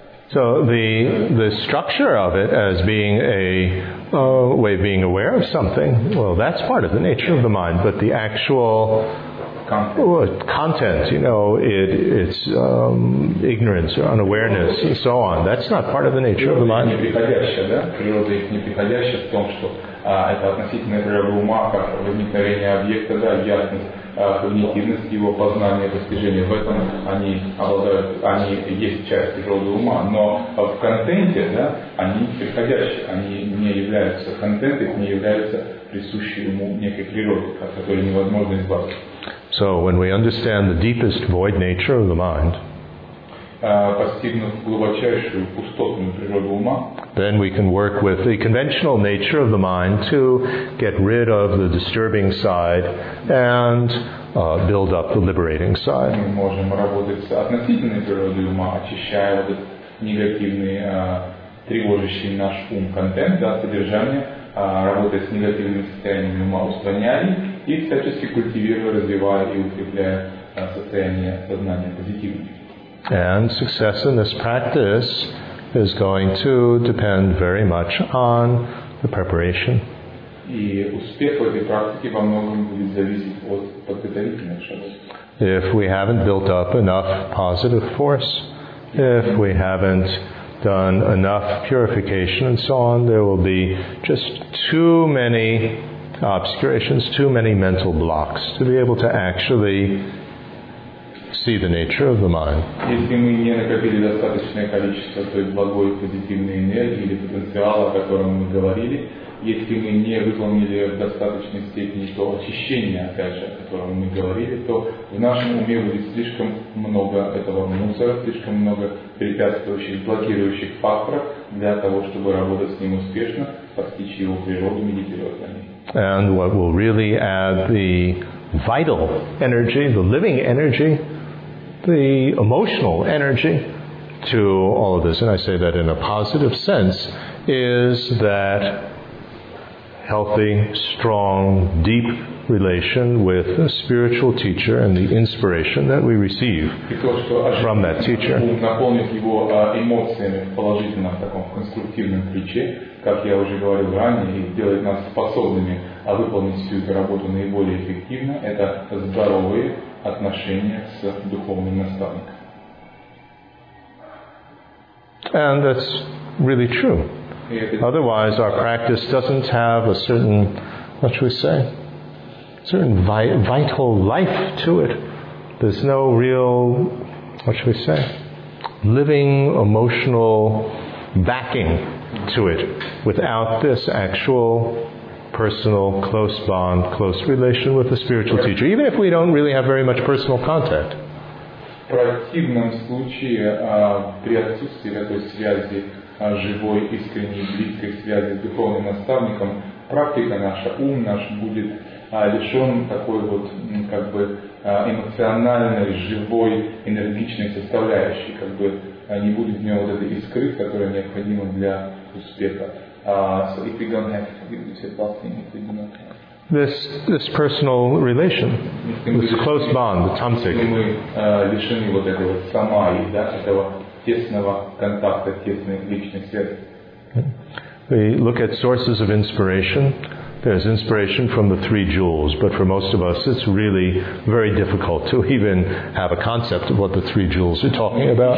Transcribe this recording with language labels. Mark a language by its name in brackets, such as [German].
[English] So the structure of it as being a way of being aware of something, well, that's part of the nature of the mind, but the actual content, you know, it's ignorance or unawareness and so on. That's not part of the nature of the mind. [Russian] Неприходящее, да? Природа их неприходящая в том, что это относительно природы ума, как возникновение объекта, да, ясность, когнитивность его познания, достижения. В этом они обладают, они есть часть природы ума, но в контенте, да, они неприходящие, они не являются контент, их не являются присущей ему некой природы, от которой невозможно избавиться. [English] So when we understand the deepest void nature of the mind, [Russian] постигнув глубочайшую пустотную природу ума, [English] then we can work with the conventional nature of the mind to get rid of the disturbing side and build up the liberating side. [Russian] Мы можем работать с относительной природой ума, очищая вот этот негативный, тревожащий наш ум контент, да, содержание. Работая с негативными состояниями ума, устраняя и всячески культивируя, развивая и укрепляя состояние сознания позитивным. [English] And success in this practice is going to depend very much on the preparation. [Russian] И успех в этой практике во многом будет зависеть от подготовительной работы. [English] If we haven't built up enough positive force, if we haven't done enough purification and so on, there will be just too many obscurations, too many mental blocks to be able to actually see the nature of the mind. [Russian] Если мы не накопили достаточное количество той благой позитивной энергии или потенциала, о котором мы говорили, если мы не выполнили в достаточной степени то очищение, опять же, о котором мы говорили, то в нашем уме будет слишком много этого мусора, слишком много препятствующих, блокирующих факторов для того, чтобы работать с ним успешно, постичь его природу, медитировать на ней. [English] And what will really add the vital energy, the living energy, the emotional energy to all of this, and I say that in a positive sense, is that healthy, strong, deep relation with a spiritual teacher and the inspiration that we receive from that teacher. [Russian] Наполнит его эмоциями в положительном, таком конструктивном ключе, как я уже говорил ранее, и делает нас способными выполнить всю эту работу наиболее эффективно. Это здоровые отношения с духовным наставником. [English] And that's really true. Otherwise, our practice doesn't have a certain, what should we say, certain vital life to it. There's no real, what should we say, living emotional backing to it without this actual personal close bond, close relation with the spiritual teacher, even if we don't really have very much personal contact. [Russian] В противном случае, при отсутствии такой связи, живой, искренней, близкой связи с духовным наставником, практика наша, ум наш будет лишен такой вот как бы эмоциональной, живой, энергичной составляющей, как бы не будет в нем вот этой искры, которая необходима для успеха. [English] So if we don't have, if we say fasting, if we do not have. This personal relation, this close bond, the tamsik. [Russian] Если мы лишены вот этого самаи, да, этого тесного контакта, тесной личной связи. [English] We look at sources of inspiration. There's inspiration from the three jewels, but for most of us, it's really very difficult to even have a concept of what the three jewels are talking about.